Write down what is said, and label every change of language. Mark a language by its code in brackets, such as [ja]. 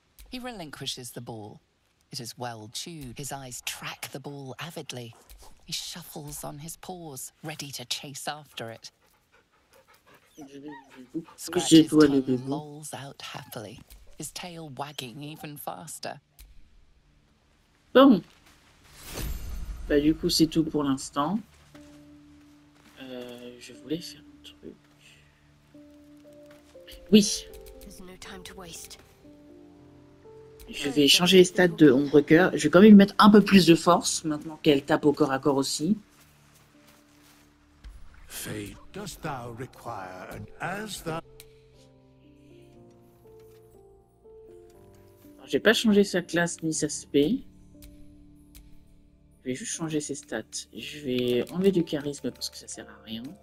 [en] He relinquishes the ball. It is well chewed. His eyes track the ball avidly. He shuffles on his paws, ready to chase after it. Scratches lolls out happily, his tail wagging even faster. [fr] Bon. Bah du coup c'est tout pour l'instant. Je voulais faire un truc. Oui. [en] There's no time to waste. [fr] Je vais changer les stats de Ombre Cœur. Je vais quand même mettre un peu plus de force maintenant qu'elle tape au corps à corps aussi. [en] Fate. Dost thou require an as thou... [fr] Alors, j'ai pas changé sa classe ni sa spé. Je vais juste changer ses stats. Je vais enlever du charisme parce que ça sert à rien.